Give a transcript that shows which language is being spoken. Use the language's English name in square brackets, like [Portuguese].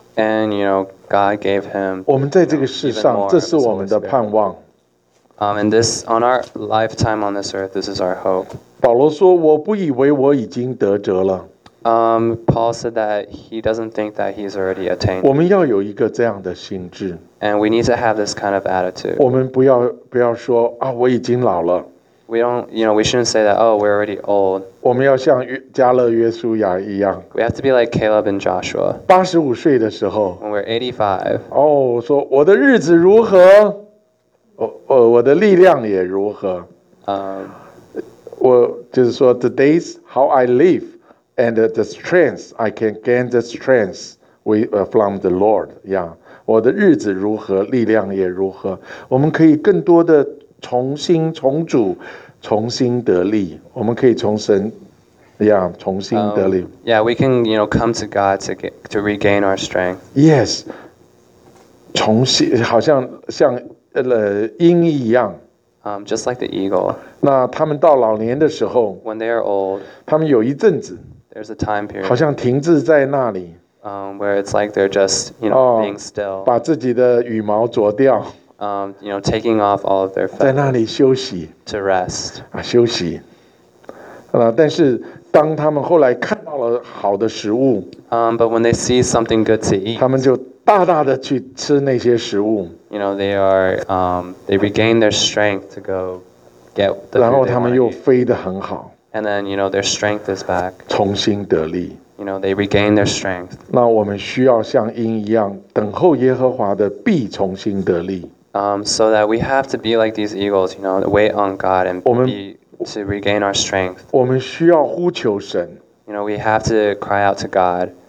[English] And, you know, God gave him, [Chinese] 我们在这个世上，这是我们的盼望。 [English] And this, on our lifetime on this earth, this is our hope. [Chinese] 保罗说，我不以为我已经得着了。 [English] Paul said that he doesn't think that he's already attained. [Chinese] 我们要有一个这样的心智。 [English] And we need to have this kind of attitude. [Chinese] 我们不要说，啊，我已经老了。 [English] We don't, you know, we shouldn't say that. Oh, we're already old. [Chinese] 我们要像加勒约书亚一样。 [English] We have to be like Caleb and Joshua. [Chinese] 85岁的时候。 [English] When we're 85. [Chinese] 哦，说我的日子如何？我的力量也如何？我就是说 [English] the days how I live and the strength I can gain the strength from the Lord. [Chinese] Yeah, 我的日子如何，力量也如何？我们可以更多的。重新重组，重新得力。我们可以从神，重新得力。 [English] Yeah, we can, you know, come to God to regain our strength. [Chinese] Yes, 重新，好像像鹰一样。 [English] Just like the eagle. [Chinese] 那他们到老年的时候 [English] ，When they are old, [Chinese] 他们有一阵子 [English] ，There's a time period. [Chinese] 好像停滞在那里。 [English] Where it's like they're just, you know, being still. [Chinese] 把自己的羽毛啄掉。 [English] You know, taking off all of their feathers. [Chinese] 在那里休息。 [English] To rest. [Chinese] 啊，休息。啊，但是当他们后来看到了好的食物。 [English] But when they see something good to eat. [Chinese] 他们就大大的去吃那些食物。 [English] You know, they are, they regain their strength to go get the food they want. [Chinese] 然后他们又飞得很好。 [English] And then, you know, their strength is back. [Chinese] 重新得力。 [English] You know, they regain their strength. [Chinese] 那我们需要像鹰一样，等候耶和华的必重新得力。 [English] So that we have to be like these eagles, you know, wait on God and be, to regain our strength. [Chinese] 我们需要呼求神。 [English] You know, we have to cry out to God.